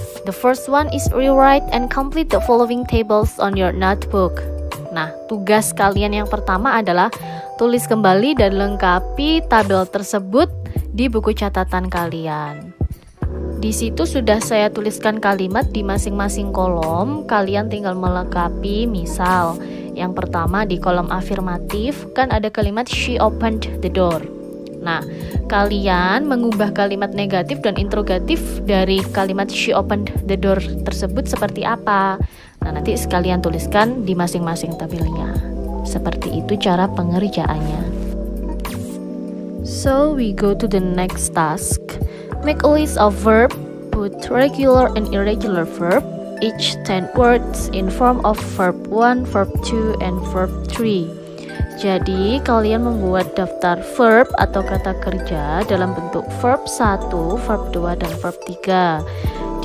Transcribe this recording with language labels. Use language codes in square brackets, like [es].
[en] The first one is rewrite and complete the following tables on your notebook. [id] Nah, tugas kalian yang pertama adalah tulis kembali dan lengkapi tabel tersebut di buku catatan kalian. Di situ sudah saya tuliskan kalimat di masing-masing kolom, kalian tinggal melengkapi. Misal, yang pertama di kolom afirmatif kan ada kalimat [en] she opened the door. [id] Nah, kalian mengubah kalimat negatif dan interrogatif dari kalimat [en] she opened the door [id] tersebut seperti apa. Nah, nanti sekalian tuliskan di masing-masing tabelnya. Seperti itu cara pengerjaannya. [en] So, we go to the next task. Make a list of verb, put regular and irregular verb, each 10 words in form of verb 1, verb 2, and verb 3. [id] Jadi, kalian membuat daftar verb atau kata kerja dalam bentuk verb 1, verb 2, dan verb 3.